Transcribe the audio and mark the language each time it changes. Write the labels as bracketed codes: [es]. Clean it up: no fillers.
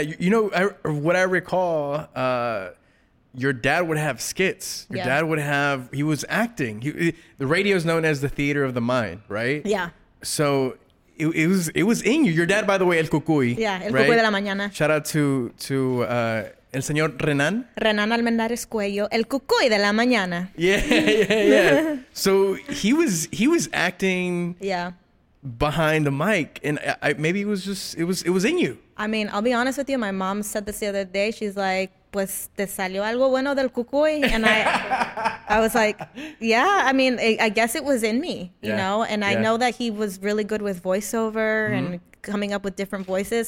[en] You know, what I recall, your dad would have skits. Your dad would have, he was acting. The radio is known as the theater of the mind, right? Yeah. So it was in you. Your dad, by the way, El Cucuy. Yeah. El Cucuy de la mañana. Shout out to El señor Renan. Renan Almendares Cuello, El Cucuy de la mañana. Yeah. So he was acting. Yeah. Behind the mic, and maybe it was in you. I mean, I'll be honest with you. My mom said this the other day. She's like, [es] "Pues te salió algo bueno del Cucuy," [en] and I was like, "Yeah." I mean, I guess it was in me, you know. And I know that he was really good with voiceover and coming up with different voices.